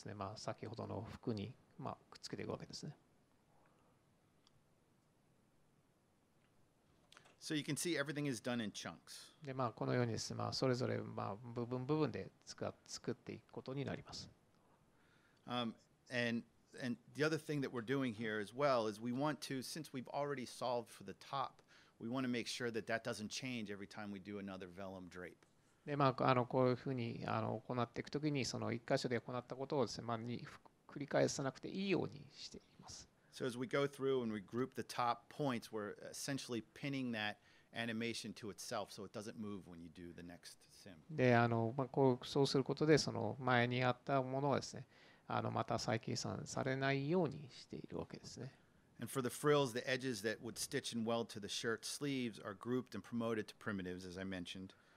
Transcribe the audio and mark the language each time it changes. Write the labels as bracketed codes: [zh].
[ja] で、まあ、このプリミティブグループをもとにですね、あの、袖の部分をですね、まあ、先ほどの服に、まあ、くっつけていくわけですね。 [en] So you can see everything is done in chunks. [ja] で、まあ、このようにですね、まあ、それぞれ、まあ、部分部分で作っていくことになります。 [en] And the other thing that we're doing here as well is we want to, since we've already solved for the top, we want to make sure that that doesn't change every time we do another vellum drape. [ja] で、まあ、あの、こういうふうに、あの、行っていくときに、その一箇所で行ったことをですね、まあ、繰り返さなくていいようにしています。 [en] So as we go through and we group the top points, we're essentially pinning that animation to itself so it doesn't move when you do the next sim. [ja] で、あの、まあ、こう、そうすることで、その前にあったものはですね、あの、また再計算されないようにしているわけですね。 [en] And for the frills, the edges that would stitch and weld to the shirt sleeves are grouped and promoted to primitives, as I mentioned.